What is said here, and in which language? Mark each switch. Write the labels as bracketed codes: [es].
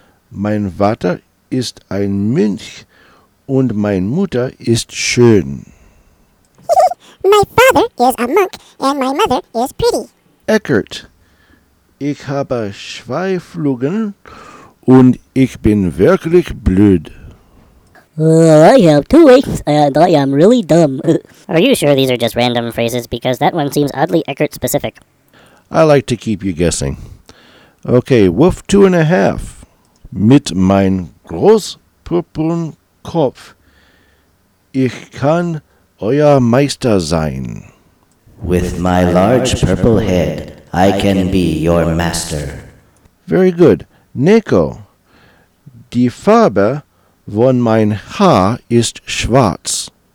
[de] Mein Vater ist ein Mönch und mein Mutter ist schön. [en] My father is a monk and my mother is pretty. Eckert. [de] Ich habe zwei Flügel und ich bin wirklich blöd. [en] I have two wings, and I am really dumb. Are you sure these are just random phrases? Because that one seems oddly Eckert-specific. I like to keep you guessing. Okay, Wolf 2.5. [de] Mit mein groß purpurn Kopf, ich kann euer Meister sein. [en] With my large purple head, I can be your master. Very good. [de] Neko, die Farbe von mein Haar ist schwarz.